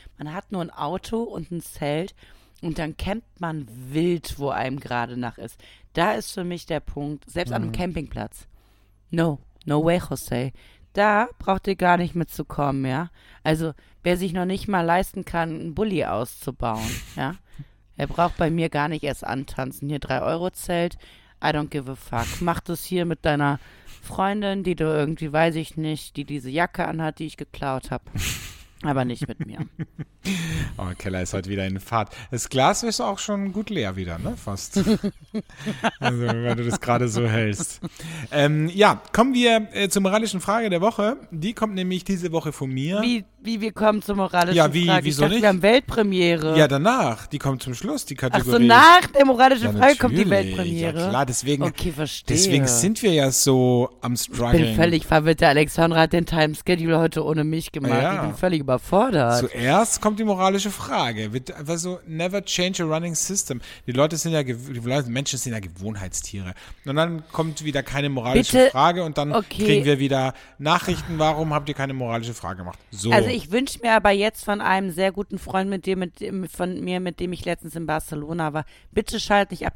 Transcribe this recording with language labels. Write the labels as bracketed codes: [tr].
[de] Man hat nur ein Auto und ein Zelt und dann campt man wild, wo einem gerade nach ist. Da ist für mich der Punkt, selbst an einem Campingplatz. [en] No way, Jose. [de] Da braucht ihr gar nicht mitzukommen, ja. Also, wer sich noch nicht mal leisten kann, einen Bulli auszubauen, ja, er braucht bei mir gar nicht erst antanzen. Hier 3-Euro-Zelt, [en] I don't give a fuck. [de] Mach das hier mit deiner Freundin, die du irgendwie, weiß ich nicht, die diese Jacke anhat, die ich geklaut habe. Aber nicht mit mir. Oh, Keller ist heute wieder in Fahrt. Das Glas ist auch schon gut leer wieder, ne? Fast. Also, wenn du das gerade so hältst. Kommen wir zur moralischen Frage der Woche. Die kommt nämlich diese Woche von mir. Wie wir kommen zur moralischen Frage? Ja, wieso ich dachte, nicht? Wir haben Weltpremiere. Ja, danach. Die kommt zum Schluss, die Kategorie. Ach so, nach der moralischen Frage kommt die Weltpremiere. Ja, klar. Deswegen, okay, verstehe. Deswegen sind wir ja so am Struggling. Ich bin völlig verwirrt. Der Alexandra hat den Timeschedule heute ohne mich gemacht. Ja. Ich bin völlig überfordert. Zuerst kommt die moralische Frage. [en] Also, never change a running system. [de] Menschen sind ja Gewohnheitstiere. Und dann kommt wieder keine moralische Frage und dann kriegen wir wieder Nachrichten. Warum habt ihr keine moralische Frage gemacht? So. Also ich wünsche mir aber jetzt von einem sehr guten Freund mit dem ich letztens in Barcelona war, bitte schalt nicht ab.